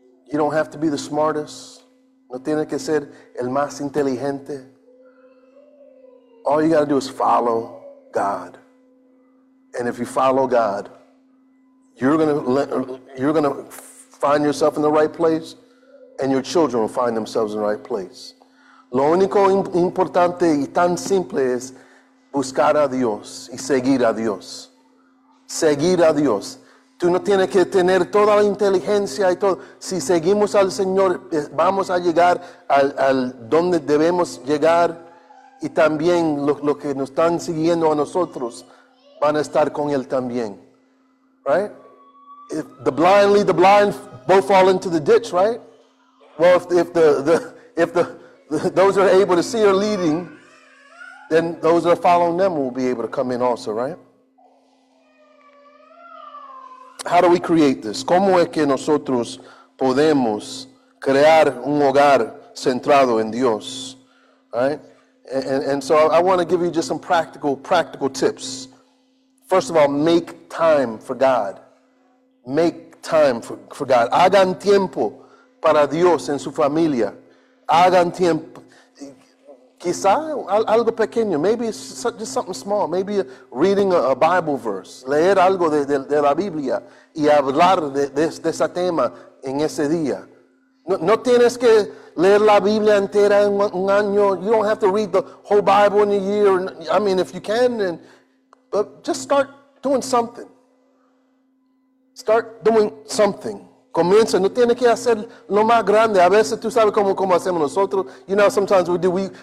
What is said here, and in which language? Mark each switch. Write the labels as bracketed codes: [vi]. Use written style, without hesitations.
[en] You don't have to be the smartest. [es] No tienes que ser el más inteligente. [en] All you got to do is follow God. And if you follow God, you're gonna find yourself in the right place, and your children will find themselves in the right place. [es] Lo único importante y tan simple es buscar a Dios y seguir a Dios. Seguir a Dios. Tú no tienes que tener toda la inteligencia y todo. Si seguimos al Señor, vamos a llegar al donde debemos llegar, y también lo que nos están siguiendo a nosotros van a estar con él también, right? [en] If the blind lead the blind, both fall into the ditch, right? Well, if those are able to see are leading, then those that are following them will be able to come in also, right? How do we create this? [es] ¿Cómo es que nosotros podemos crear un hogar centrado en Dios, right? [en] And so I want to give you just some practical tips. First of all, make time for God. Make time for God. [es] Hagan tiempo para Dios en su familia. Hagan tiempo. Quizá algo pequeño. [en] Maybe it's just something small. Maybe reading a Bible verse. [es] Leer algo de la Biblia y hablar de ese tema en ese día. No tienes que leer la Biblia entera en un año. [en] You don't have to read the whole Bible in a year. I mean, if you can, then. But just start doing something. Start doing something. [es] Comienza. No tiene que hacer lo más grande. A veces tú sabes cómo hacemos nosotros. [en] You know, sometimes we do.